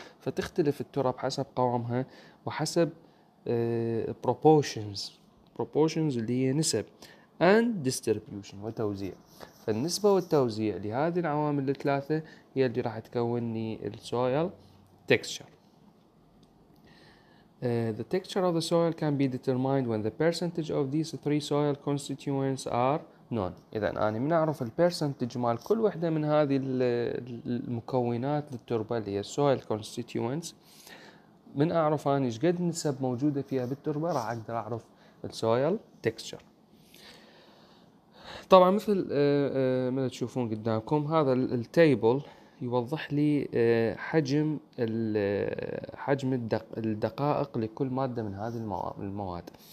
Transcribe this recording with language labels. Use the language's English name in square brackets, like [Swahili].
[Arabic] فتختلف التربة حسب قوامها وحسب proportions. proportions اللي هي نسب and distribution وتوزيع. فالنسبة والتوزيع لهذه العوامل الثلاثة هي اللي راح تكوني soil texture. [English] The texture of the soil can be determined when the percentage of these three soil constituents are known. [Arabic] إذا أنا من أعرف البرسنتج مال كل واحدة من هذه المكونات للتربة اللي هي soil constituents، من أعرف أنا إيش قد نسب موجودة فيها بالتربة راح أقدر أعرف soil texture. طبعا مثل ما تشوفون قدامكم هذا التيبل يوضح لي حجم الدقائق لكل مادة من هذه المواد.